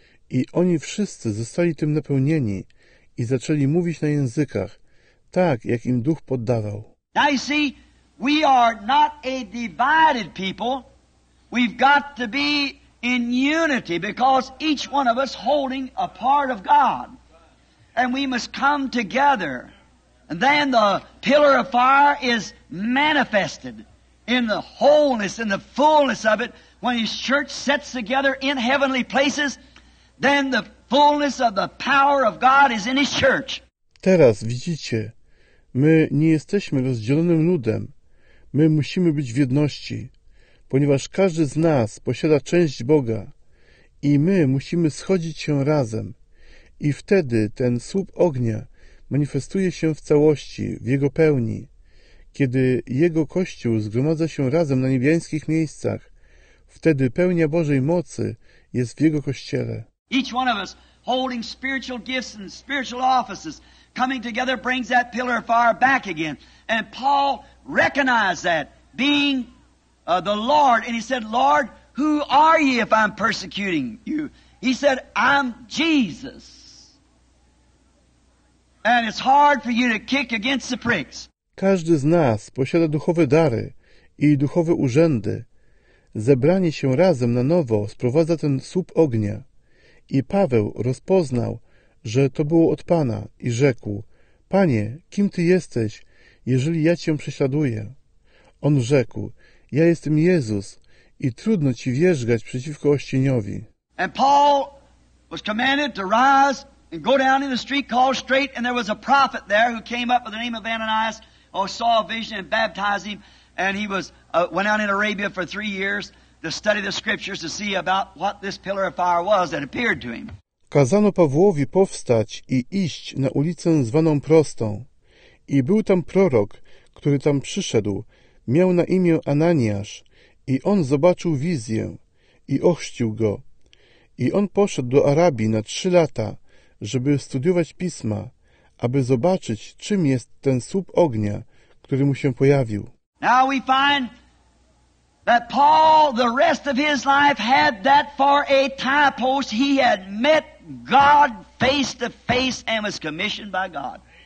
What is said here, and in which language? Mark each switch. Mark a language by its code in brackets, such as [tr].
[pl] I oni wszyscy zostali tym napełnieni i zaczęli mówić na językach, tak jak im Duch poddawał. [en] Now you see, we are not a divided people. We've got to be in unity because each one of us holding a part of God. And we must come together. And then the pillar of fire is manifested in the wholeness, in the fullness of it. When his church sets together in heavenly places, then the fullness of the power of God is in his church. [pl] Teraz widzicie, my nie jesteśmy rozdzielonym ludem. My musimy być w jedności, ponieważ każdy z nas posiada część Boga i my musimy schodzić się razem. I wtedy ten słup ognia manifestuje się w całości, w jego pełni. Kiedy jego Kościół zgromadza się razem na niebiańskich miejscach, wtedy pełnia Bożej mocy jest w jego Kościele. [en] Each one of us holding spiritual gifts and spiritual offices coming together brings that pillar of fire back again. And Paul recognized that, being the Lord. And he said, Lord, who are ye if I'm persecuting you? He said, I'm Jesus. And it's hard for you to kick against the pricks. [pl] Każdy z nas posiada duchowe dary i duchowe urzędy. Zebranie się razem na nowo sprowadza ten słup ognia. I Paweł rozpoznał, że to było od Pana i rzekł, Panie, kim Ty jesteś, jeżeli ja Cię prześladuję? On rzekł, ja jestem Jezus i trudno Ci wierzgać przeciwko ościeniowi. [en] And Paul was commanded to rise and go down in the street called Straight, and there was a prophet there who came up with the name of Ananias, who saw a vision and baptized him, and he was went out in Arabia for 3 years to study the scriptures to see about what this pillar of fire was that appeared to him. [pl] Kazano Pawłowi powstać i iść na ulicę zwaną Prostą. I był tam prorok, który tam przyszedł, miał na imię Ananiasz, i on zobaczył wizję i ochrzcił go. I on poszedł do Arabii na 3 lata, żeby studiować pisma, aby zobaczyć, czym jest ten słup ognia, który mu się pojawił. [en] Now we find that Paul, the rest of his life, had that for a time post. He had met God face to face and was commissioned by God.